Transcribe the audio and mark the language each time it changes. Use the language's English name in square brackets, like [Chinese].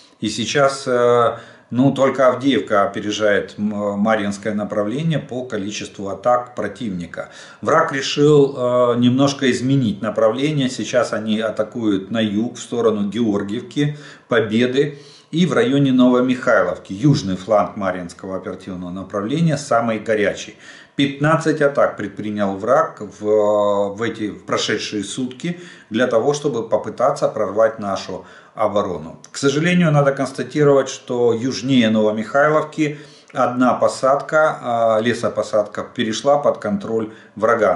[Russian] И сейчас только Авдеевка опережает Мариинское направление по количеству атак противника. Враг решил немножко изменить направление. Сейчас они атакуют на юг, в сторону Георгиевки, Победы. [Ukrainian] і в районі Новоміхайлівки. Южний фланг Мар'їнського оперативного направлення самий гарячий. [Russian] 15 атак предпринял враг в прошедшие сутки для того, чтобы попытаться прорвать нашу оборону. К сожалению, надо констатировать, что южнее Новомихайловки одна посадка, лесопосадка, перешла под контроль врага.